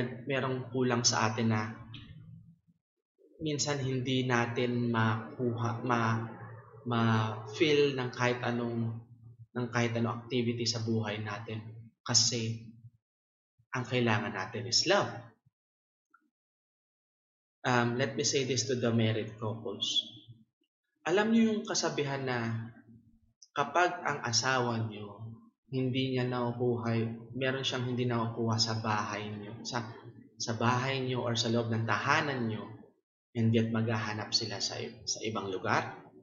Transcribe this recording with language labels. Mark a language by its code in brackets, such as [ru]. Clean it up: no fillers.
[tl] Merong kulang sa atin na minsan hindi natin makuha, ma-feel ng kahit anong activity sa buhay natin kasi ang kailangan natin [en] is love. Let me say this to the married couples. [tl] Alam niyo yung kasabihan na kapag ang asawa niyo hindi niya nakukuha, meron siyang hindi nakukuha sa bahay niyo, sa bahay niyo or sa loob ng tahanan niyo, [en] and yet [tl] maghahanap sila sa ibang lugar.